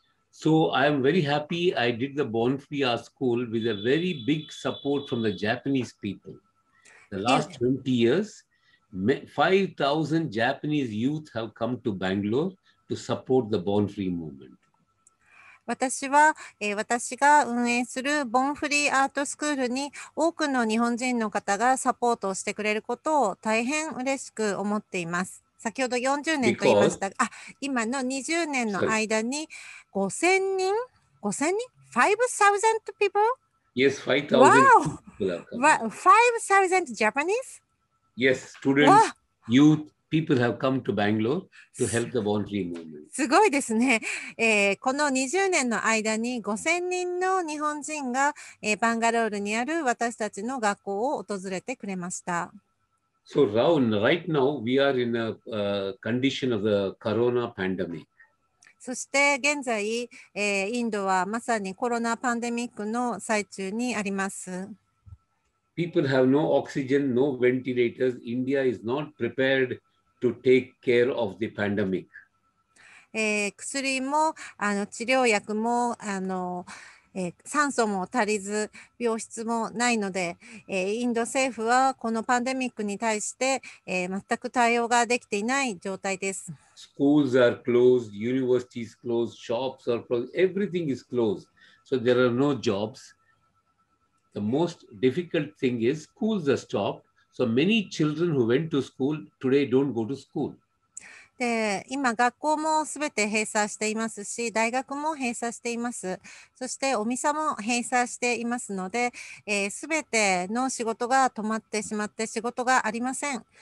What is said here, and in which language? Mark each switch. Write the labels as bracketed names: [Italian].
[English] So I'm very happy I did the Born Free Art School with a very big support from the Japanese people. The last 20 years, 5,000 Japanese youth have come to Bangalore to support the Born Free movement. [Japanese] 私は、私が運営するボンフリーアートスクールに多くの日本人の方がサポートをしてくれることを大変嬉しく思っています。先ほど40年と言いましたが、今の20年の間に5000人 [English] ?5,000 people? Yes, 5,000 people. Wow! 5,000 Japanese? Yes, students, youth. People have come to Bangalore to help the Born Free movement. [Japanese] すごいですね。この20年の間に5000人の日本人が、バンガロールにある私たちの学校を訪れてくれました。 [English] So, Raun, right now we are in a condition of the corona pandemic. [Japanese] そして現在、インドはまさにコロナパンデミックの最中にあります。 [English] People have no oxygen, no ventilators. India is not prepared. To take care of the pandemic. [Japanese] 薬も治療薬も酸素も足りず病室もないので、インド政府はこのパンデミックに対して、全く対応ができていない状態です。 [English] Schools are closed, universities closed, shops are closed, everything is closed. So there are no jobs. The most difficult thing is schools are stopped. So many children who went to school today don't go to school. [Japanese] で、今学校もすべて閉鎖していますし、大学も閉鎖しています。そしてお店も閉鎖していますので、すべての仕事が止まってしまって仕事がありません。